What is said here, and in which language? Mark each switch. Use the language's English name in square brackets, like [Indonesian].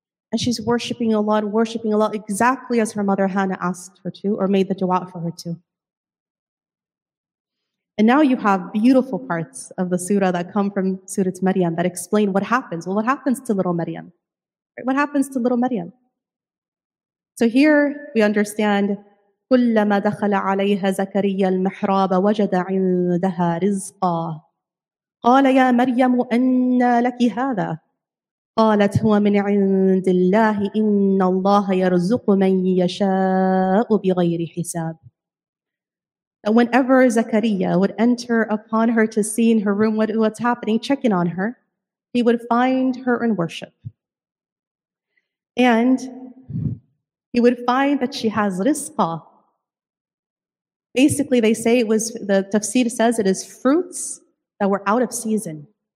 [English] And she's worshiping a lot, exactly as her mother Hannah asked her to, or made the dua for her to. And now you have beautiful parts of the surah that come from Surah Maryam that explain what happens. Well, what happens to little Maryam? What happens to little Maryam? So here we understand [Arabic] كلما دخل عليها زكريا المحراب وجد عندها رزقا قال يا مريم أنى لك هذا قالت هو من عند الله إن الله يرزق من يشاء بغير حساب. [English] And whenever Zakaria would enter upon her to see in her room what's happening, checking on her, he would find her in worship. And he would find that she has rizqa. Basically, they say it was, the tafsir says it is fruits that were out of season.